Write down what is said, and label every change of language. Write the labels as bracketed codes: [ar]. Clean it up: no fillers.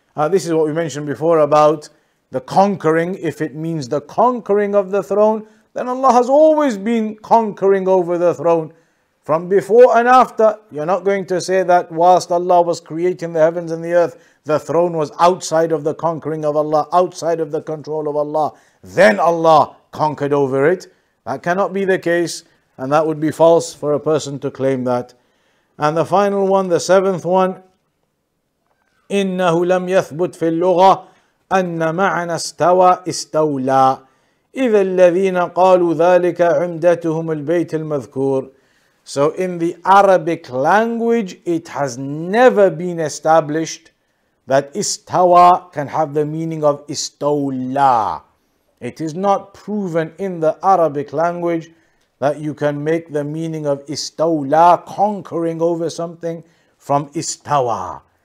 [en] This is what we mentioned before about the conquering. If it means the conquering of the throne, then Allah has always been conquering over the throne from before and after. You're not going to say that whilst Allah was creating the heavens and the earth, the throne was outside of the conquering of Allah, outside of the control of Allah. Then Allah conquered over it. That cannot be the case. And that would be false for a person to claim that. And the final one, the seventh one, [ar] إِنَّهُ لَمْ يَثْبُتْ فِي اللُّغَةِ أَنَّ مَعَنَا اسْتَوَى اسْتَوْلَى إِذَا الَّذِينَ قَالُوا ذَلِكَ عُمْدَتُهُمُ الْبَيْتِ الْمَذْكُورِ. [en] So in the Arabic language, it has never been established that istawa can have the meaning of istawla. It is not proven in the Arabic language that you can make the meaning of istawla, conquering over something, from istawa.